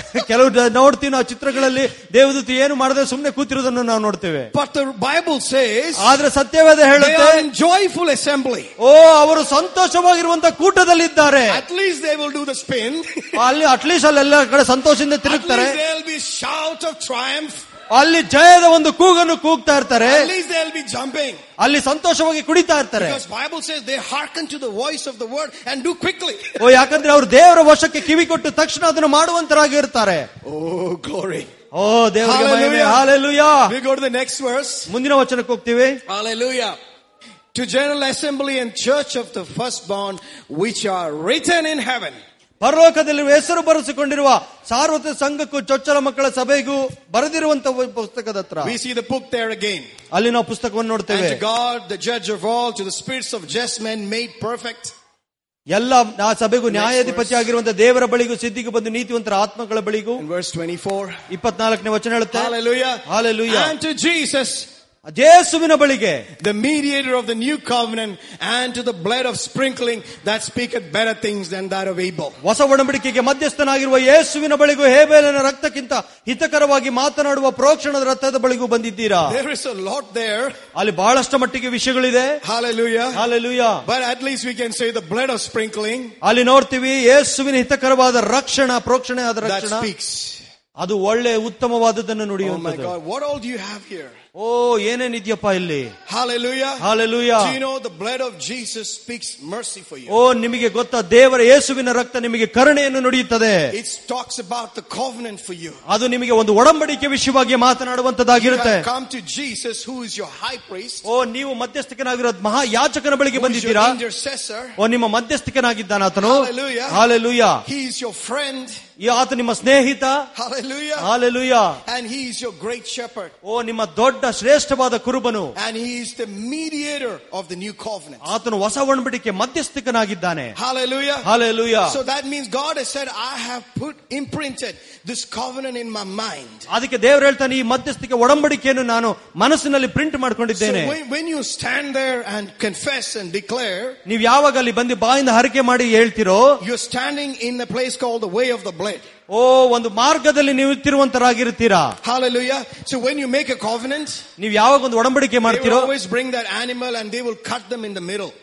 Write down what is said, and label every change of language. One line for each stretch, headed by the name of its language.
Kannada: ಕೆಲವು ನೋಡ್ತೀವಿ ನಾವು ಚಿತ್ರಗಳಲ್ಲಿ ದೇವದೂತ ಏನು ಮಾಡದೆ ಸುಮ್ನೆ ಕೂತಿರುವುದನ್ನು ನಾವು ನೋಡ್ತೇವೆ.
English: But the Bible says,
Kannada: ಆದ್ರೆ ಸತ್ಯವೇದ ಹೇಳುತ್ತೆ,
English: they are in joyful assembly.
Kannada: ಓ, ಅವರು ಸಂತೋಷವಾಗಿರುವಂತಹ ಕೂಟದಲ್ಲಿ ಇದ್ದಾರೆ.
English: At least they will do the spin.
Kannada: ಅಲ್ಲಿ ಅಟ್ಲೀಸ್ಟ್ ಅಲ್ಲೆಲ್ಲ ಕಡೆ ಸಂತೋಷದಿಂದ ತಿರುಗ್ತಾರೆ.
English: At least there will be shout of triumph.
Kannada: ಅಲ್ಲಿ ಜಯದ ಒಂದು ಕೂಗನ್ನು ಕೂಗ್ತಾ ಇರ್ತಾರೆ.
English: At least they'll be jumping.
Kannada: ಅಲ್ಲಿ ಸಂತೋಷವಾಗಿ ಕುಡಿತಾ ಇರ್ತಾರೆ.
English: Because Bible says they hearken to the voice of the word and do quickly.
Kannada: ಓ, ಯಾಕಂದ್ರೆ ಅವರು ದೇವರ ವಶಕ್ಕೆ ಕಿವಿ ಕೊಟ್ಟು ತಕ್ಷಣ ಅದನ್ನು ಮಾಡುವಂತರಾಗಿ ಇರ್ತಾರೆ.
English: Oh, glory.
Kannada: ಓ, ದೇವರಿಗೆ ಮಹಿಮೆ. Hallelujah.
English: We go to the next verse.
Kannada: ಮುಂದಿನ ವಚನಕ್ಕೆ ಹೋಗ್ತೀವಿ.
English: Hallelujah. To general assembly and church of the firstborn which are written in heaven.
Kannada: ಪರಲೋಕದಲ್ಲಿ ಹೆಸರು ಬರೆಸಿಕೊಂಡಿರುವ ಸಾರ್ವತ್ರಿಕ ಸಂಘಕ್ಕೂ ಚೊಚ್ಚಲ ಮಕ್ಕಳ ಸಭೆಗೂ ಬರೆದಿರುವಂತಹ ಪುಸ್ತಕದ ಹತ್ರ
English: we see the book there again.
Kannada: ಅಲ್ಲಿ ನಾವು ಪುಸ್ತಕವನ್ನು ನೋಡ್ತೇವೆ.
English: And to God, the judge of all, to the spirits of just men made perfect.
Kannada: ಎಲ್ಲ ಆ ಸಭೆಗೂ ನ್ಯಾಯಾಧಿಪತಿ ಆಗಿರುವಂತಹ ದೇವರ ಬಳಿಗೂ ಸಿದ್ಧಿಗೆ ಬಂದು ನೀತಿವಂತರ ಆತ್ಮಗಳ ಬಳಿಗೂ
English: verse 24
Kannada: 24ನೇ ವಚನ ಹೇಳುತ್ತೆ.
English: Hallelujah. Hallelujah. And to Jesus,
Kannada: ಯೇಸುವಿನ ಬಳಿಗೆ,
English: the mediator of the new covenant and to the blood of sprinkling that speaketh better things than that of Abel.
Kannada: ಹೊಸ ಒಡಂಬಡಿಕೆಗೆ ಮಧ್ಯಸ್ಥನಾಗಿರುವ ಯೇಸುವಿನ ಬಳಿಗೂ ಹೇಬೇಲನ ರಕ್ತಕ್ಕಿಂತ ಹಿತಕರವಾಗಿ ಮಾತನಾಡುವ ಪ್ರೋಕ್ಷಣದ ರಕ್ತದ ಬಳಿಗೂ ಬಂದಿದ್ದೀರಾ.
English: There is a lot there.
Kannada: ಅಲ್ಲಿ ಬಹಳಷ್ಟು ಮಟ್ಟಿಗೆ ವಿಷಯಗಳಿದೆ.
English: Hallelujah. Hallelujah. But at least we can say the blood of sprinkling.
Kannada: ಅಲ್ಲಿ ನೋಡ್ತೀವಿ ಯೇಸುವಿನ ಹಿತಕರವಾದ ರಕ್ಷಣಾ ಪ್ರೋಕ್ಷಣೆಯಾದ ರಕ್ಷಣಾ
English: that speaks.
Kannada: ಅದು ಒಳ್ಳೆ ಉತ್ತಮವಾದದನ್ನು ನುಡಿಯುವಂತದ್ದು.
English: Oh my God, what all do you have here?
Kannada: ಓ, ಏನೇನ್ ಇದೆಯಪ್ಪ ಇಲ್ಲಿ.
English: Hallelujah. Hallelujah. Do you know the blood of Jesus speaks mercy for you?
Kannada: ಓ, ನಿಮಗೆ ಗೊತ್ತಾ ದೇವರ ಯೇಸುವಿನ ರಕ್ತ ನಿಮಗೆ ಕರುಣೆಯನ್ನು ನುಡಿಯುತ್ತದೆ.
English: It talks about the covenant for you.
Kannada: ಅದು ನಿಮಗೆ ಒಂದು ಒಡಂಬಡಿಕೆ ವಿಷಯವಾಗಿ ಮಾತನಾಡುವಂತದ್ದಾಗಿರುತ್ತೆ.
English: You have come to Jesus who is your high priest.
Kannada: ಓ, ನೀವು ಮಧ್ಯಸ್ಥಿಕನಾಗಿರೋ ಮಹಾಯಾಚಕನ ಬಳಿಗೆ ಬಂದಿದ್ದೀರಾ.
English: Who is your intercessor.
Kannada: ಓ, ನಿಮ್ಮ ಮಧ್ಯಸ್ಥಿಕನಾಗಿದ್ದಾನ ಆತನು.
English: Hallelujah. Hallelujah. He is your friend.
Kannada: ಈ ಆತ ನಿಮ್ಮ ಸ್ನೇಹಿತ.
English: Hallelujah. Hallelujah. And he is your great shepherd.
Kannada: ಓ, ನಿಮ್ಮ ದೊಡ್ಡ ಶ್ರೇಷ್ಠವಾದ ಕುರುಬನು.
English: And he is the mediator of the new covenant.
Kannada: ಆತನು ಹೊಸ ಒಡಂಬಡಿಕೆ ಮಧ್ಯಸ್ಥಿಕನಾಗಿದ್ದಾನೆ.
English: Hallelujah. Hallelujah. So that means God has said I have put imprinted this covenant in my mind.
Kannada: ಅದಕ್ಕೆ ದೇವರು ಹೇಳ್ತಾನೆ ಈ ಮಧ್ಯಸ್ಥಿಕೆ ಒಡಂಬಡಿಕೆಯನ್ನು ನಾನು ಮನಸ್ಸಿನಲ್ಲಿ print ಮಾಡ್ಕೊಂಡಿದ್ದೇನೆ.
English: When you stand there and confess and declare.
Kannada: ನೀವು ಯಾವಾಗ ಅಲ್ಲಿ ಬಂದು ಬಾಯಿಂದ ಹರಕೆ ಮಾಡಿ ಹೇಳ್ತಿರೋ.
English: You're standing in the place called the way of the blood.
Kannada: ಓ ಒಂದು ಮಾರ್ಗದಲ್ಲಿ ನೀವು ತಿರುವಂತರಾಗಿರುತ್ತೀರಾ.
English: Hallelujah. So when you make a covenant,
Kannada: ನೀವು ಯಾವಾಗ ಒಂದು ಒಡಂಬಡಿಕೆ ಮಾಡ್ತೀರೋ,
English: they will always bring that animal and they will cut them in the middle.